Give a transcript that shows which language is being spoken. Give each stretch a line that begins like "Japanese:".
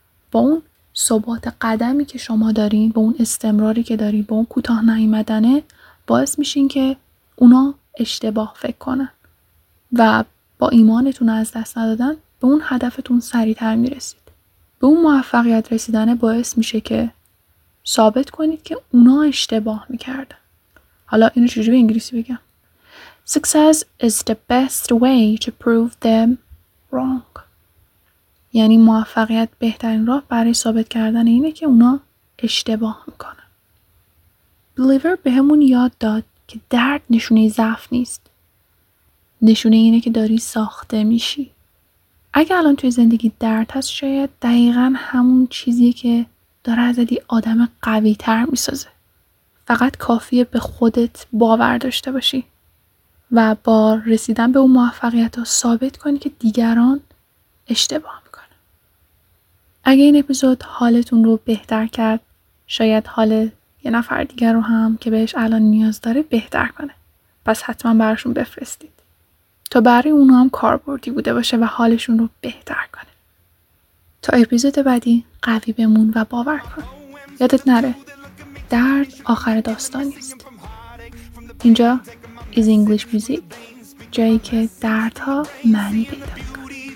Persian: با اون ثبات قدمی که شما دارین، با اون استمراری که دارین، با اون کوتاه نیامدنه باعث میشین که اونا اشتباه فکر کنن و با ایمانتون از دست ندادن به اون هدفتون سریع‌تر میرسید. به اون موفقیت رسیدن باعث میشه که ثابت کنید که اونا اشتباه میکردن. حالا اینو چجوری به انگلیسی بگم؟
English: Success is the best way to prove them wrong.
Persian: یعنی موفقیت بهترین راه برای ثابت کردن اینه که اونا اشتباه میکنن. بلیور به همون یاد داد که درد نشونه ضعف نیست. نشونه اینه که داری ساخته میشی. اگه الان توی زندگی درد هست شاید دقیقا همون چیزی که داره از دی آدم قوی تر میسازه. فقط کافیه به خودت باور داشته باشی و با رسیدن به اون موفقیت رو ثابت کنی که دیگران اشتباه میکنن. اگه این اپیزود حالتون رو بهتر کرد شاید حال یه نفر دیگر رو هم که بهش الان نیاز داره بهتر کنه. پس حتما براشون بفرستید. تا برای اونو هم کاربردی بوده باشه و حالشون رو بهتر کنه. تا اپیزود بعدی قوی بمون و باور کن. یادت نره. درد آخر داستانیست. اینجا Is English Music. جایی که درد ها معنی پیدا میکنه.